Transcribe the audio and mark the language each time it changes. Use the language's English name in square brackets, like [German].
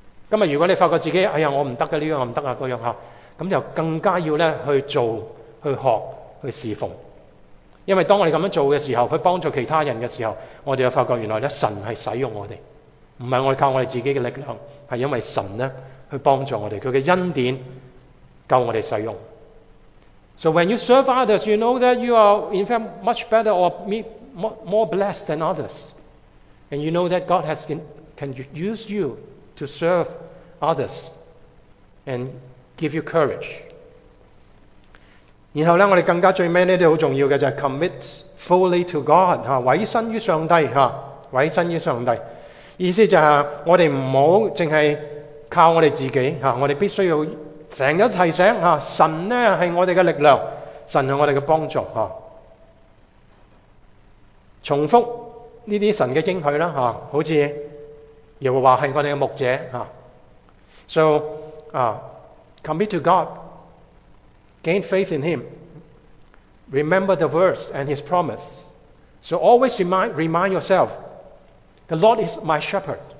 [Chinese] 今天如果你发觉自己，哎呀，我不行的，这个我不行的，那样，那就更加要呢去做，去学去侍奉。因为当我们这样做的时候，去帮助其他人的时候，我们就发觉原来神是使用我们，不是我们靠我们自己的力量，是因为神呢去帮助我们，他的恩典够我们使用。 [English] So when you serve others, you know that you are in fact much better or more blessed than others. And you know that God can use you to serve others and give you courage. [Chinese] 然后呢，我们更加最后这些很重要的就是 [English] commit fully to God, [Chinese] 委身于上帝，委身于上帝。意思就是我们不要只是靠我们自己，我们必须要成日提醒神呢是我们的力量，神是我们的帮助。重复这些神的应许，好像耶和华是我们的牧者。 [English] So, commit to God, gain faith in Him, remember the verse and His promise. So always remind yourself, the Lord is my shepherd.